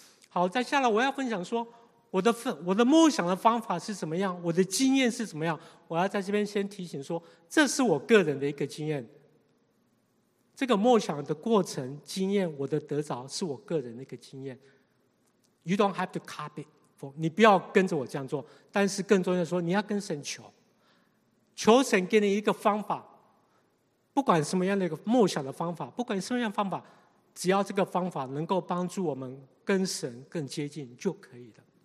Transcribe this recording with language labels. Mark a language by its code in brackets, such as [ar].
[zh] 好，再下来我要分享说，我的默想的方法是怎么样，我的经验是怎么样。我要在这边先提醒说，这是我个人的一个经验，这个默想的过程经验，我的得着是我个人的一个经验。 [en] You don't have to copy it for, 你不要跟着我这样做。 [zh] 但是更重要的说，你要跟神求，求神给你一个方法，不管什么样的一个默想的方法，不管什么样的方法，只要这个方法能够帮助我们跟神更接近就可以了。